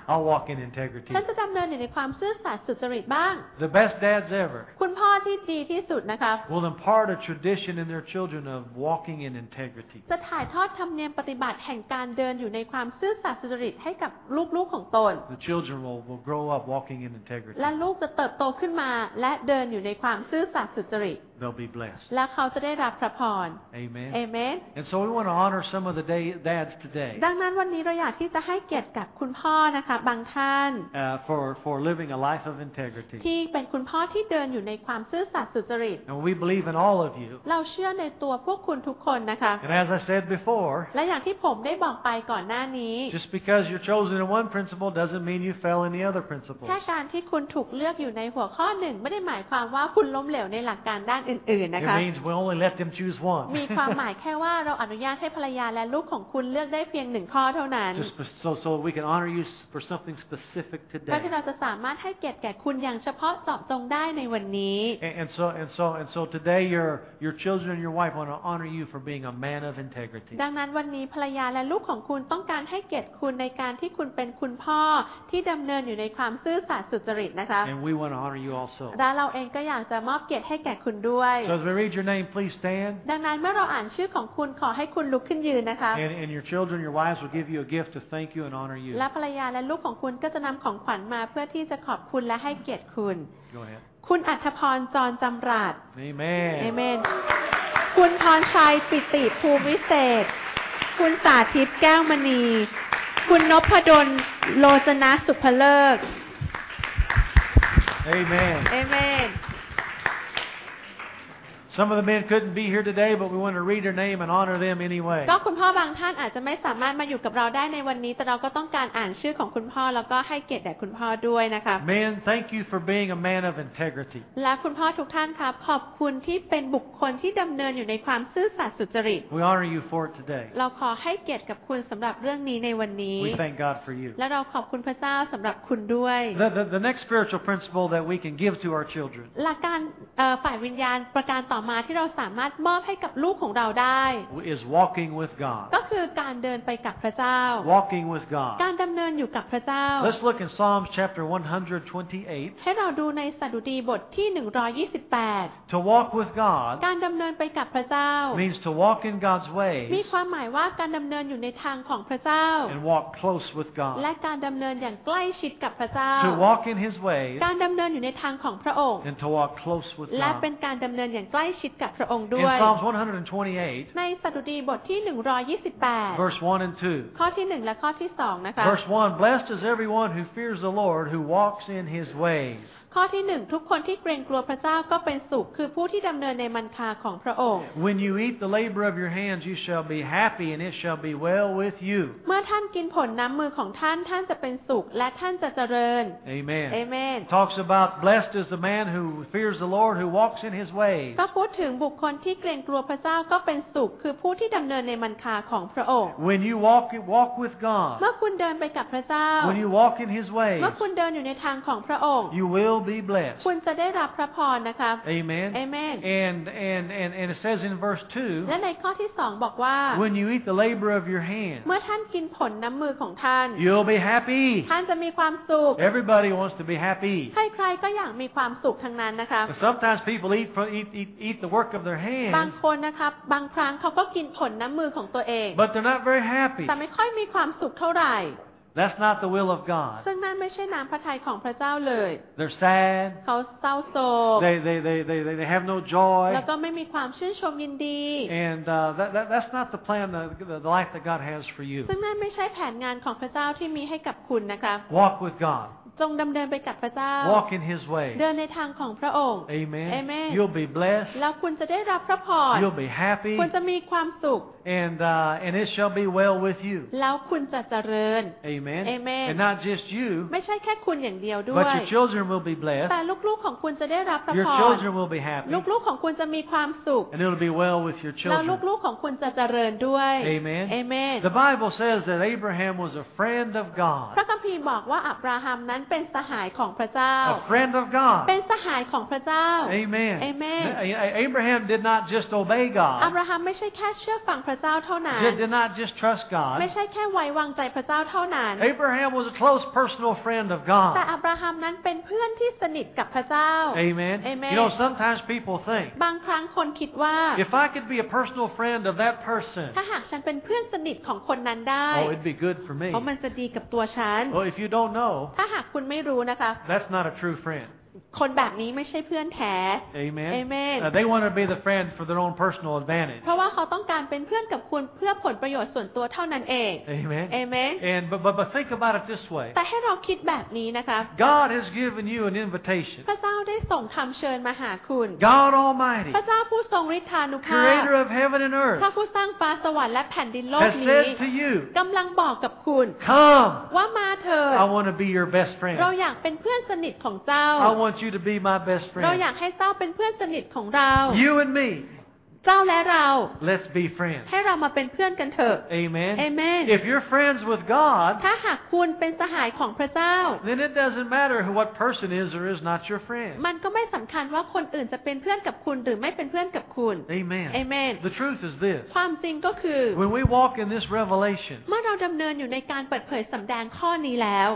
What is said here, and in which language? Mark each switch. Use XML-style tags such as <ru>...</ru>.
<en>I'll walk in integrity.</en> <th>ฉันจะดำเนินในความซื่อสัตย์สุจริตบ้าง</th> <en>The best dads ever.</en> <th>คุณพ่อที่ดีที่สุดนะคะ</th> <en>Will impart a tradition in their children of walking in integrity.</en> <th>จะถ่ายทอดธรรมเนียมปฏิบัติแห่งการเดินอยู่ในความซื่อสัตย์สุจริตให้กับลูกๆของตน</th> <en>The children will grow up walking in integrity.</en> <th>และลูกจะเติบโตขึ้นมาและเดินอยู่ในความซื่อสัตย์สุจริต</th> <en>They'll be blessed.</en> <th>และเขาจะได้รับพระพร</th> <en>Amen. Amen. And so we want to honor some of the dads today.</en> <th>ดังนั้นวันนี้เราอยากที่จะให้เกียรติกับคุณพ่อนะคะบางท่าน</th> <en>for living a life of integrity.</en> <th>ที่เป็นคุณพ่อที่เดินอยู่ในความซื่อสัตย์สุจริต</th> <en>And we believe in all of you.</en> <th>เราเชื่อในตัวพวกคุณทุกคนนะคะ</th> <en>And as I said before.</en> <th>และอย่างที่ผมได้บอกไปก่อน</th> <en>Just because you're chosen in one principle doesn't mean you fail in the other principles.</en> <th>แค่การที่คุณถูกเลือกอยู่ในหัวข้อหนึ่งไม่ได้หมายความว่าคุณล้มเหลวในหลักการด้านอื่นๆนะคะ</th> <en>It means we only let them choose one.</en> <th>มีความหมายแค่ว่าเราอนุญาตให้ภรรยาและลูกของคุณเลือกได้เพียงหนึ่งข้อเท่านั้น</th> <en>Just so we can honor you for something specific today.</en> <th>เพราะที่เราจะสามารถให้เกียรติแก่คุณอย่างเฉพาะเจาะจงได้ในวันนี้</th> <en>And so today your children and your wife want to honor you for being a man of integrity.</en> <th>ดังนั้นวันนี้ภรรยาและลูกของคุณต้องการให้เกียรติคุณในการที่คุณเป็นคุณพ่อที่ดำเนินอยู่ในความซื่อสัตย์สุจริตนะคะ</th> <en>And we want to honor you also.</en> <th>และเราเองก็อยากจะมอบเกียรติให้แก่คุณด้วย</th> <en>So as we read your name, please stand.</en> <th>ดังนั้นเมื่อเราอ่านชื่อของคุณขอให้คุณลุกขึ้นยืนนะคะ</th> <en>And your children, your wives will give you a gift to thank you and honor you.</en> <th>และภรรยาและลูกของคุณก็จะนำของขวัญมาเพื่อที่จะขอบคุณและให้เกียรติคุณ</th> <en>Go ahead.</en> <th>คุณอัธพรจรจำราด</th> <en>Amen. Amen.</en> <th>คุณพรชัยปิติภูวิเศษคุณสาธิตแก้วมณีคุณนพดลโลจนะสุภเลิศ</th> <en>Amen Amen Some of the men couldn't be here today but we want to read their name and honor them anyway</en> <th>ก็คุณพ่อบางท่านอาจจะไม่สามารถมาอยู่กับเราได้ในวันนี้แต่เราก็ต้องการอ่านชื่อของคุณพ่อแล้วก็ให้เกียรติแด่คุณพ่อด้วยนะคะ</th> <en>Men thank you for being a man of integrity</en> <th>และคุณพ่อทุกท่านครับขอบคุณที่เป็นบุคคลที่ดำเนินอยู่ในความซื่อสัตย์สุจริต</th> <en>We honor you for it today</en> <th>เราขอให้เกียรติกับคุณสำหรับเรื่องนี้ในวันนี้</th> <en>We thank God for you</en> <th>และเราขอบคุณพระเจ้าสำหรับคุณด้วย</th> <en>The next spiritual principle that we can give to our children</en> <th>หลักการฝ่ายวิญญาณประการต่อมาที่เราสามารถมอบให้กับลูกของเราได้</th> <en>is walking with God</en> <th>ก็คือการเดินไปกับพระเจ้า</th> <en>walking with God</en> <th>การดำเนินอยู่กับพระเจ้า</th> <en>Let's look in Psalms chapter 128</en> <th>ให้เราดูในสดุดีบทที่128</th> <en>To walk with God</en> <th>การดำเนินไปกับพระเจ้า</th> <en>means to walk in God's ways</en> <th>มีความหมายว่าการดำเนินอยู่ในทางของพระเจ้า</th> <en>and walk close with God</en> <th>และการดำเนินอย่างใกล้ชิดกับพระเจ้า</th> <en>To walk in His ways</en> <th>การดำเนินอยู่ในทางของพระองค์</th> <en>and to walk close with God</en> <th>และเป็นการดำเนินอย่างใกล้ชิดกับพระองค์ด้วย</th> <en>Psalm 128</en> <th>ในสดุดีบทที่128</th> <en>Verse 1 and 2</en> <th>ข้อที่1และข้อที่2นะคะ</th> <en>Verse 1 Blessed is everyone who fears the Lord who walks in his ways</en> <th>ข้อที่1ทุกคนที่เกรงกลัวพระเจ้าก็เป็นสุขคือผู้ที่ดำเนินในมรรคาของพระองค์</th> <en>When you eat the labor of your hands you shall be happy and it shall be well with you</en> <th>เมื่อท่านกินผลน้ำมือของท่านท่านจะเป็นสุขและท่านจะเจริญ</th> <en>Amen Amen Talks about blessed is the man who fears the Lord who walks in his ways</en> <th>ก็พูดถึงบุคคลที่เกรงกลัวพระเจ้าก็เป็นสุขคือผู้ที่ดำเนินในมรรคาของพระองค์</th> <en>When you walk with God</en> <th>เมื่อคุณเดินไปกับพระเจ้า</th> <en>When you walk in his ways</en> <th>เมื่อคุณเดินอยู่ในทางของพระองค์</th> <en>You willbe blessed</en> <th>คุณจะได้รับพระพรนะคะ</th> <en>Amen Amen and it says in verse 2</en> <th>และในข้อที่2บอกว่า</th> <en>When you eat the labor of your hands</en> <th>เมื่อท่านกินผลน้ำมือของท่าน</th> <en>You'll be happy</en> <th>ท่านจะมีความสุข</th> <en>Everybody wants to be happy</en> <th>ใครๆก็อยากมีความสุขทั้งนั้นนะคะ</th> <en>Sometimes people eat the work of their hands</en> <th>บางคนนะครับบางครั้งเขาก็กินผลน้ำมือของตัวเอง</th> <en>But they're not very happy</en> <th>แต่ไม่ค่อยมีความสุขเท่าไหร่</th> <en>That's not the will of God.</en> <th>ซึ่งนั่นไม่ใช่น้ำพระทัยของพระเจ้าเลย</th> <en>They're sad.</en> <th>เขาเศร้าโศก</th> <en>They have no joy.</en> <th>แล้วก็ไม่มีความชื่นชมยินดี</th> <en>And that's not the plan the life that God has for you.</en> <th>ซึ่งนั่นไม่ใช่แผนงานของพระเจ้าที่มีให้กับคุณนะคะ</th> <en>Walk with God.</en> <th>จ ทรงดําเนินไปกับพระเจ้า</th> <en>Walk in his way</en> <th>เดินในทางของพระองค์</th> <en>Amen Amen You'll be blessed</en> <th>แล้วคุณจะได้รับพระพร</th> <en>You'll be happy</en> <th>คุณจะมีความสุข</th> <en>And it shall be well with you.</en> <th>แล้วคุณจะเจริญ</th> <en>Amen. Amen. And not just you.</en> <th>ไม่ใช่แค่คุณอย่างเดียวด้วย</th> <en>But your children will be blessed.</en> <th>แต่ลูกๆของคุณจะได้รับพระพร</th> <en>Your children will be happy.</en> <th>ลูกๆของคุณจะมีความสุข</th> <en>And it'll be well with your children.</en> <th>แล้วลูกๆของคุณจะเจริญด้วย</th> <en>Amen. Amen. The Bible says that Abraham was a friend of God.</en> <th>พระคัมภีร์บอกว่าอับราฮัมนั้นเป็นสหายของพระเจ้า</th> <en>A friend of God.</en> <th>เป็นสหายของพระเจ้า</th> <en>Amen. Amen. Abraham did not just obey God.</en> <th>อับราฮัมไม่ใช่แค่เชื่อฟังพระเจ้าเท่านั้น</th> <en>Did not just trust God</en> <th>ไม่ใช่แค่ไว้วางใจพระเจ้าเท่านั้น</th> <en>Abraham was a close personal friend of God</en> <th>แต่อับราฮัมนั้นเป็นเพื่อนที่สนิทกับพระเจ้า</th> <en>Amen Amen You know sometimes people think</en> <th>บางครั้งคนคิดว่า</th> <en>If I could be a personal friend of that person</en> <th>ถ้าหากฉันเป็นเพื่อนสนิทของคนนั้นได้</th> <en>Oh it'd be good for me</en> <th>เพราะมันจะดีกับตัวฉัน</th> <en>Oh if you don't know</en> <th>ถ้าหากคุณไม่รู้นะคะ</th> <en>That's not a true friend</en> <th>คนแบบนี้ไม่ใช่เพื่อนแท้</th> <en>Amen Amen They want to be the friend for their own personal advantage</en> <th>เพราะว่าเขาต้องการเป็นเพื่อนกับคุณเพื่อผลประโยชน์ส่วนตัวเท่านั้นเอง</th> <en>Amen Amen And but think about it this way</en> <th>แต่ให้เราคิดแบบนี้นะคะ</th> <en>God has given you an invitation</en> <th>พระเจ้าได้ส่งคำเชิญมาหาคุณ</th> <en>God Almighty</en> <th>พระเจ้าผู้ทรงฤทธานุภาพ</th> <en>Creator of heaven and earth</en> <th>พระผู้สร้างฟ้าสวรรค์และแผ่นดินโลกนี้</th> <en>Has said to you</en> <th>กำลังบอกกับคุณ</th> <en>Come</en> <th>ว่ามาเถิด</th> <en>I want to be your best friend</en> <th>เราอยากเป็นเพื่อนสนิทของเจ้า</th> <en>I want you to be my best friend.</en> <th>เราอยากให้เจ้าเป็นเพื่อนสนิทของเรา</th> <en>You and me.</en> <th>เจ้าและเรา</th> <en>Let's be friends</en> <th>ให้เรามาเป็นเพื่อนกันเถอะ</th> <en>Amen Amen If you're friends with God</en> <th>ถ้าหากคุณเป็นสหายของพระเจ้า</th> <en>Then it doesn't matter who what person is or is not your friend</en> <th>มันก็ไม่สำคัญว่าคนอื่นจะเป็นเพื่อนกับคุณหรือไม่เป็นเพื่อนกับคุณ</th> <en>Amen Amen The truth is this</en> <th>ความจริงก็คือ</th> <en>When we walk in this revelation</en> <th>เมื่อเราดำเนินอยู่ในการเปิดเผยสำแดงข้อนี้แล้ว</th>